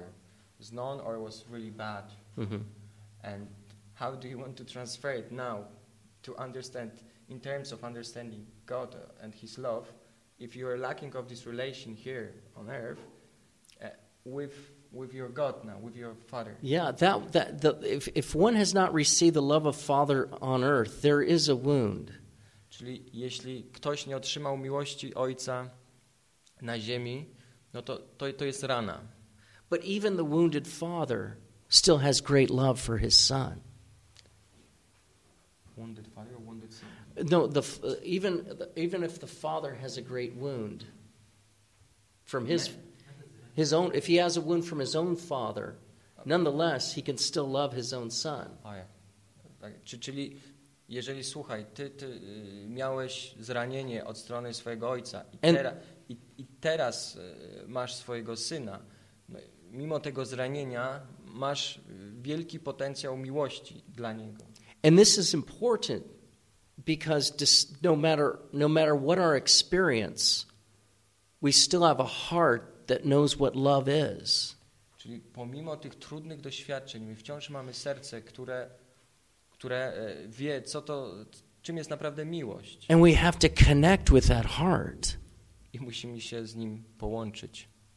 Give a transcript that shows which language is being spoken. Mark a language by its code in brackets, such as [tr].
[en] It was none, or it was really bad. And how do you want to transfer it now to understand, in terms of understanding God and his love, if you are lacking of this relation here on earth with your God now, with your father? Yeah, if one has not received the love of father on earth, there is a wound. [pl] Czyli jeśli ktoś nie otrzymał miłości Ojca na ziemi, no to jest rana. [en] But even the wounded father still has great love for his son. Wounded father or wounded son? No, even if the father has a great wound from his own, if he has a wound from his own father, nonetheless he can still love his own son. [pl] Czyli jeżeli, słuchaj, ty miałeś zranienie od strony swojego ojca i teraz masz swojego syna, no, mimo tego zranienia masz wielki potencjał miłości dla niego. [en] And this is important because no matter what our experience, we still have a heart that knows what love is. [pl] Czyli pomimo tych trudnych doświadczeń my wciąż mamy serce, które wie, co to, czym jest naprawdę miłość. [en] And we have to connect with that heart. [pl] I musimy się z nim połączyć.